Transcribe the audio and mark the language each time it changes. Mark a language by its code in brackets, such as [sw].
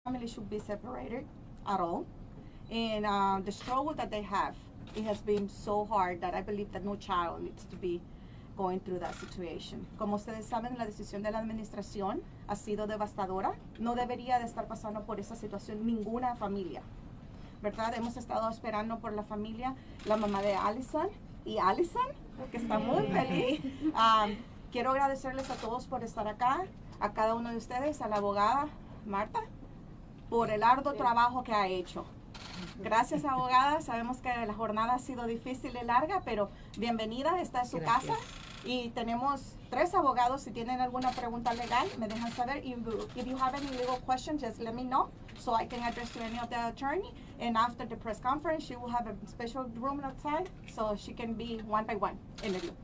[en] Family should be separated at all, and the struggle that they have, it has been so hard that I believe that no child needs to be going through that situation. [es] Como ustedes saben, la decisión de la administración ha sido devastadora. No debería de estar pasando por esa situación ninguna familia, ¿verdad? Hemos estado esperando por la familia, la mamá de Allison y Allison, que está muy feliz. Quiero agradecerles a todos por estar acá, a cada uno de ustedes, a la abogada Marta, por el arduo trabajo que ha hecho. Gracias, abogada. Sabemos que la jornada ha sido difícil y larga, pero bienvenida. Esta es su casa. Y tenemos tres abogados. Si tienen alguna pregunta legal, me dejan saber. [en] If you have any legal questions, just let me know so I can address to any of the attorney. And after the press conference, she will have a special room outside so she can be one by one interview.